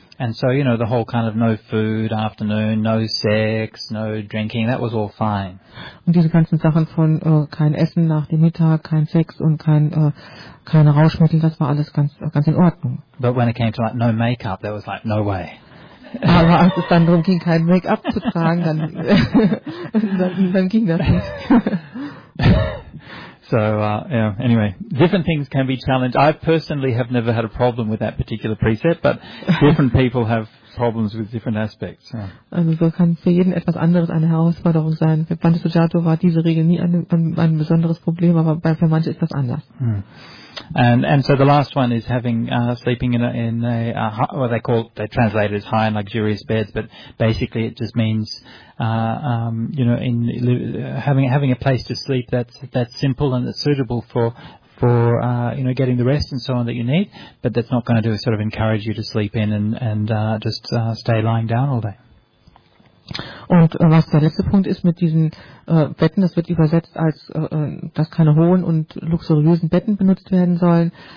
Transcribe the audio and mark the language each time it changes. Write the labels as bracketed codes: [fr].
[en] And so, you know, the whole kind of no food afternoon, no sex, no drinking, that was all fine. [de] Und diese ganzen Sachen von kein Essen nach dem Mittag, kein Sex und keine Rauschmittel, das war alles ganz in Ordnung. [en] But when it came to like no makeup, there was like no way. [de] Aber als es dann darum ging, kein Make-up zu tragen, dann ging das nicht. [en] So, anyway, different things can be challenged. I personally have never had a problem with that particular precept, but different people have problems with different aspects. Yeah. [de] Also so kann für jeden etwas anderes eine Herausforderung sein. Für Bhante Sujato war diese Regel nie ein besonderes Problem, aber für manche ist das anders. Hmm. [en] And so the last one is having sleeping in a what they call, they translate it as high and luxurious beds, but basically it just means having a place to sleep that's simple and that's suitable for getting the rest and so on that you need, but that's not going to sort of encourage you to sleep in and just stay lying down all day. [de] Und was der letzte Punkt ist mit diesen Betten, das wird übersetzt als, dass keine hohen und luxuriösen Betten benutzt werden sollen.